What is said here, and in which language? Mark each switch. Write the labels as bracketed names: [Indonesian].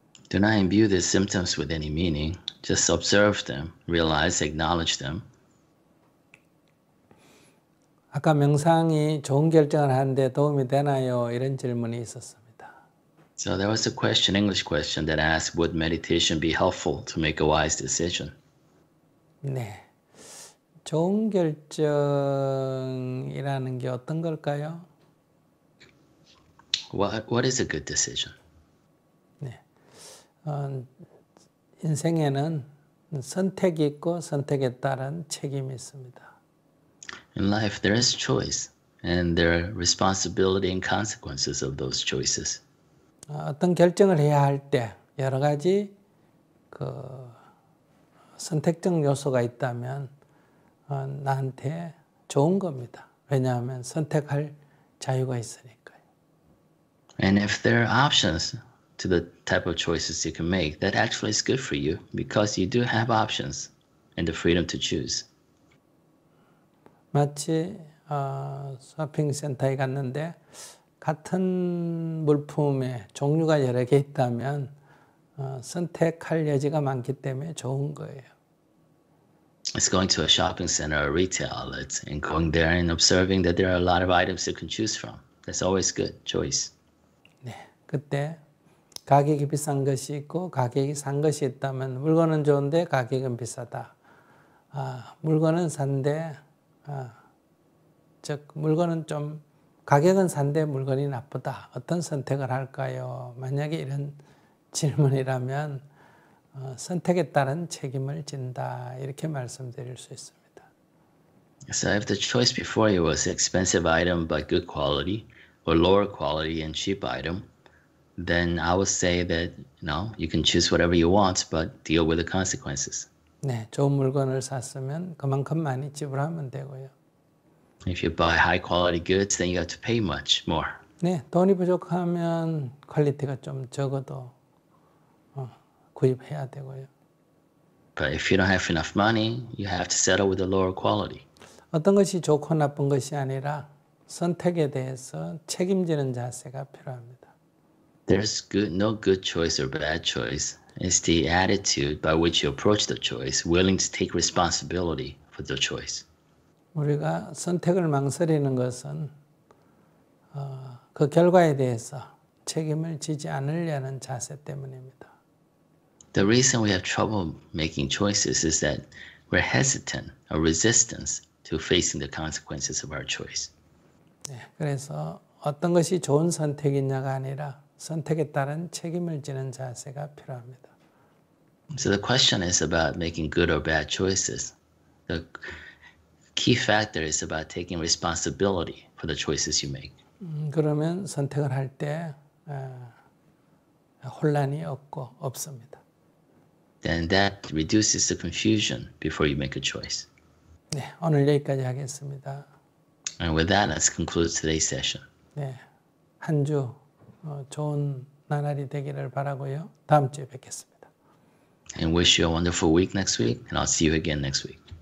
[English] Do not imbue these symptoms with any meaning. Just observe them, realize, acknowledge them. [Korean] 아까 명상이 좋은 결정을 하는데 도움이 되나요? 이런 질문이 있었습니다. [English] So there was a question, English question, that asked, would meditation be helpful to make a wise decision? [Korean] 네. 좋은 결정이라는 게 어떤 걸까요? [English] What is a good decision? [Korean] 네. 인생에는 선택이 있고 선택에 따른 책임이 있습니다. [English] In life there is choice and there are responsibility and consequences of those choices. [Korean] 어떤 결정을 해야 할 때 여러 가지 그 선택적 요소가 있다면 나한테 좋은 겁니다. 왜냐하면 선택할 자유가 있으니까요. [English] And if there are options to the type of choices you can make, that actually is good for you because you do have options and the freedom to choose. [Korean] 마치 쇼핑센터에 갔는데 같은 물품에 종류가 여러 개 있다면 선택할 여지가 많기 때문에 좋은 거예요. [English] It's going to a shopping center or retail outlet and going there and observing that there are a lot of items you can choose from. That's always good choice. [Korean] 네, 그때 가격이 비싼 것이 있고 가격이 싼 것이 있다면 물건은 좋은데 가격은 비싸다. 아, 물건은 산데 아, 즉 물건은 좀 가격은 산데 물건이 나쁘다. 어떤 선택을 할까요? 만약에 이런 질문이라면 선택에 따른 책임을 진다 이렇게 말씀드릴 수 있습니다. [English] So if the choice before you was expensive item but good quality or lower quality and cheap item, then I would say that no, you can choose whatever you want, but deal with the consequences. [Korean] 네, 좋은 물건을 샀으면 그만큼 많이 지불하면 되고요. [English] If you buy high quality goods, then you have to pay much more. [Korean] 네, 돈이 부족하면 퀄리티가 좀 적어도 구입해야 되고요. [English] But if you don't have enough money, you have to settle with the lower quality. [Korean] 어떤 것이 좋고 나쁜 것이 아니라 선택에 대해서 책임지는 자세가 필요합니다. [English] There's no good choice or bad choice. It's the attitude by which you approach the choice, willing to take responsibility for the choice. [Korean] 우리가 선택을 망설이는 것은 그 결과에 대해서 책임을 지지 않으려는 자세 때문입니다. [English] The reason we have trouble making choices is that we're hesitant or resistant to facing the consequences of our choice. [Korean] 네, 그래서 어떤 것이 좋은 선택이냐가 아니라 선택에 따른 책임을 지는 자세가 필요합니다. [English] So the question is about making good or bad choices. The key factor is about taking responsibility for the choices you make. [Korean] 그러면 선택을 할 때 혼란이 없고 없습니다. [English] Then that reduces the confusion before you make a choice. [Korean] 네, 오늘 여기까지 하겠습니다. [English] And with that, let's conclude today's session. [Korean] 네, 한 주 좋은 나날이 되기를 바라고요. 다음 주에 뵙겠습니다. [English] And wish you a wonderful week next week, and I'll see you again next week.